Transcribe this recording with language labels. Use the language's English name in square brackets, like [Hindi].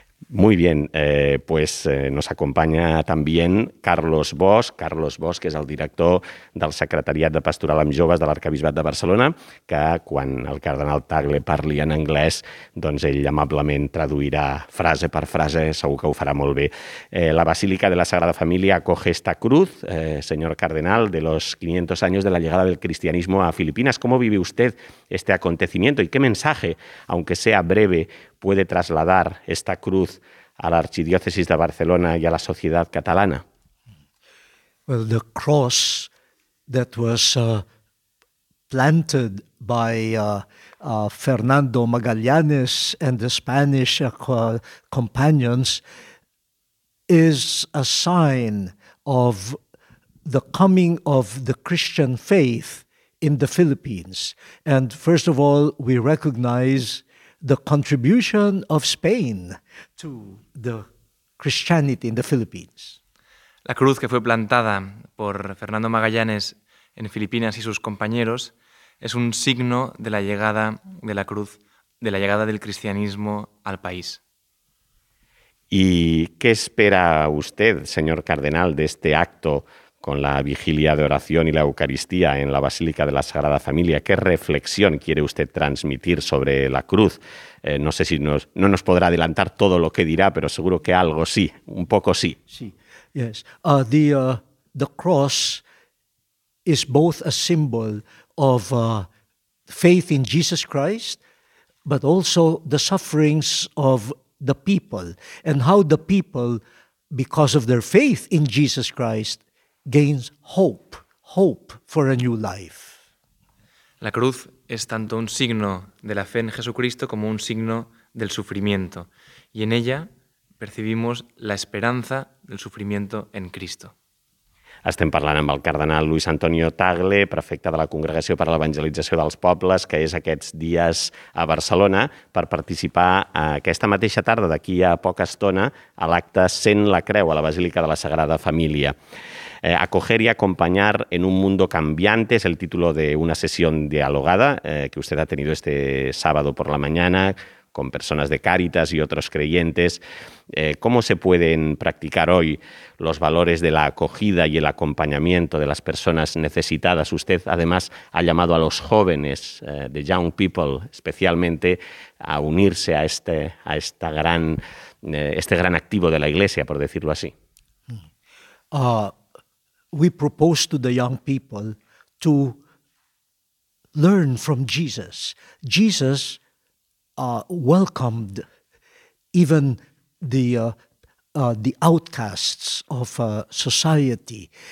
[Spanish] Muy bien, pues nos acompaña también Carlos Bosch. [Catalan] Carlos Bosch, que és el director del Secretariat de Pastoral amb Joves de l'Arcabisbat de Barcelona, que quan el cardenal Tagle parli en anglès, doncs ell amablement traduirà frase per frase, segur que ho farà molt bé. [Spanish] La Basílica de la Sagrada Família acoge esta cruz, señor cardenal, de los 500 años de la llegada del cristianismo a Filipinas. ¿Cómo vive usted este acontecimiento y qué mensaje, aunque sea breve, puede trasladar esta cruz a la Archidiócesis de Barcelona y a la sociedad catalana? [English] Well, the cross that was planted by Fernando Magallanes and the Spanish companions is a sign of the coming of the Christian faith in the Philippines. And first of all, we recognize the contribution of Spain to the Christianity in the Philippines. [Spanish] La cruz que fue plantada por Fernando Magallanes en Filipinas y sus compañeros es un signo de la llegada de la cruz, de la llegada del cristianismo al país. ¿Y qué espera usted, señor cardenal, de este acto con la vigilia de oración y la Eucaristía en la Basílica de la Sagrada Familia? ¿Qué reflexión quiere usted transmitir sobre la cruz? No sé si no nos podrá adelantar todo lo que dirá, pero seguro que algo sí, un poco sí. Sí, yes. [English] The cross is both a symbol of faith in Jesus Christ, but also the sufferings of the people and how the people, because of their faith in Jesus Christ, gains hope for a new life. [Spanish] La cruz es tanto un signo de la fe en Jesucristo como un signo del sufrimiento, y en ella percibimos la esperanza del sufrimiento en Cristo. [Catalan] Estem parlant amb el cardenal Luis Antonio Tagle, prefecte de la Congregació per a l'Evangelització dels Pobles, que és aquests dies a Barcelona, per participar aquesta mateixa tarda, d'aquí a poca estona, a l'acte Sent la Creu a la Basílica de la Sagrada Família. [Spanish] Acoger y acompañar en un mundo cambiante es el título de una sesión dialogada que usted ha tenido este sábado por la mañana con personas de Cáritas y otros creyentes. ¿Cómo se pueden practicar hoy los valores de la acogida y el acompañamiento de las personas necesitadas? Usted además ha llamado a los jóvenes, [English] the young people [Spanish] especialmente, a unirse a este gran activo de la Iglesia, por decirlo así. [English] We propose to the young people to learn from Jesus. Jesus welcomed even the outcasts of society.